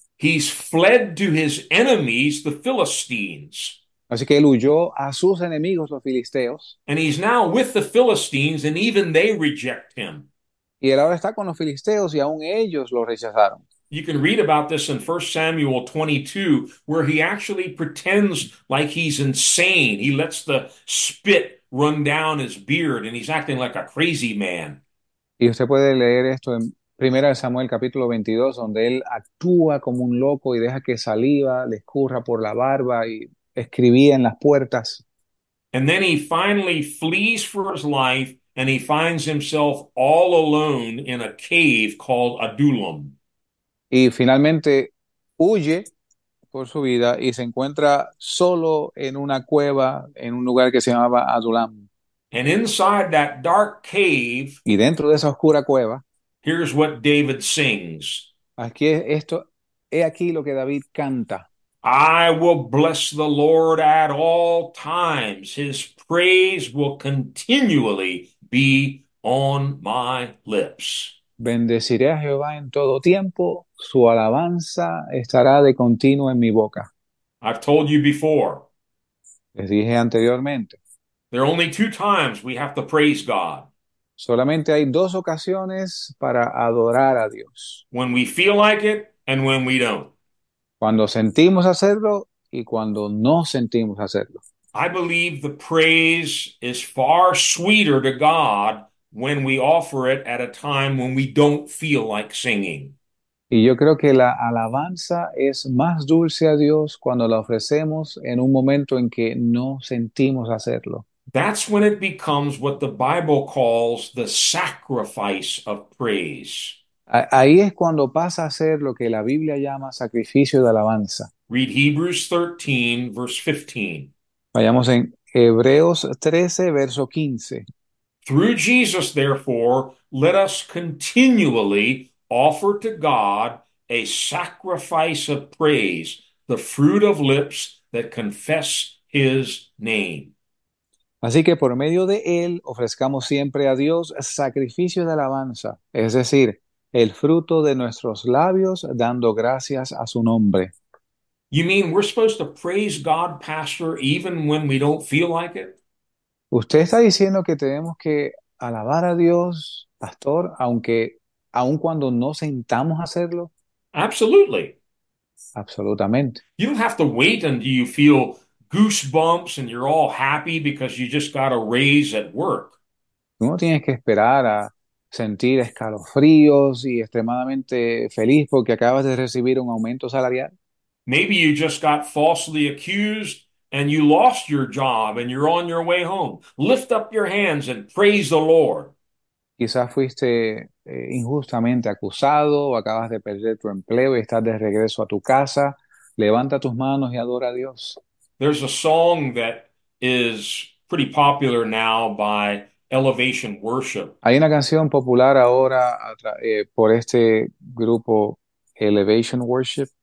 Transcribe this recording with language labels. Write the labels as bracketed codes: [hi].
[en] He's fled to his enemies, the Philistines. [es] Así que él huyó a sus enemigos, los filisteos. [en] And he's now with the Philistines, and even they reject him. [es] Y él ahora está con los filisteos y aún ellos lo rechazaron. [en] You can read about this in 1 Samuel 22, where he actually pretends like he's insane. He lets the spit run down his beard, and he's acting like a crazy man. [es] Y usted puede leer esto en Primera de Samuel capítulo 22, donde él actúa como un loco y deja que saliva le escurra por la barba y escribía en las puertas. [en] And then he finally flees for his life and he finds himself all alone in a cave called Adullam. [es] Y finalmente huye por su vida y se encuentra solo en una cueva, en un lugar que se llamaba Adulam. [en] And inside that dark cave, [es] Y dentro de esa oscura cueva, [en] here's what David sings. [es] aquí esto, he aquí lo que David canta. [en] I will bless the Lord at all times. His praise will continually be on my lips. [es] Bendeciré a Jehová en todo tiempo, su alabanza estará de continuo en mi boca. [en] I've told you before, [es] Les dije anteriormente. [en] there are only two times we have to praise God. [es] Solamente hay dos ocasiones para adorar a Dios. [en] When we feel like it and when we don't. [es] Cuando sentimos hacerlo y cuando no sentimos hacerlo. [en] I believe the praise is far sweeter to God when we offer it at a time when we don't feel like singing. [es] Y yo creo que la alabanza es más dulce a Dios cuando la ofrecemos en un momento en que no sentimos hacerlo. [en] That's when it becomes what the Bible calls the sacrifice of praise. [es] Ahí es cuando pasa a ser lo que la Biblia llama sacrificio de alabanza. [en] Read Hebrews 13, verse 15. [es] Vayamos en Hebreos 13, verso 15. [en] Through Jesus, therefore, let us continually offer to God a sacrifice of praise, the fruit of lips that confess his name. [es] Así que por medio de él ofrezcamos siempre a Dios sacrificio de alabanza, es decir, el fruto de nuestros labios dando gracias a su nombre. [en] You mean we're supposed to praise God, Pastor, even when we don't feel like it? [es] Usted está diciendo que tenemos que alabar a Dios, pastor, aunque aun cuando no sintamos hacerlo. [en] Absolutely. [es] Absolutamente. [en] You don't have to wait until you feel goosebumps and you're all happy because you just got a raise at work. [es] No tienes que esperar a sentir escalofríos y extremadamente feliz porque acabas de recibir un aumento salarial. [en] Maybe you just got falsely accused and you lost your job and you're on your way home. Lift up your hands and praise the Lord. [es] Quizás fuiste injustamente acusado o acabas de perder tu empleo y estás de regreso a tu casa. Levanta tus manos y adora a Dios. [en] There's a song that is pretty popular now by Elevation Worship. [es] Hay una canción popular ahora por este grupo Elevation Worship.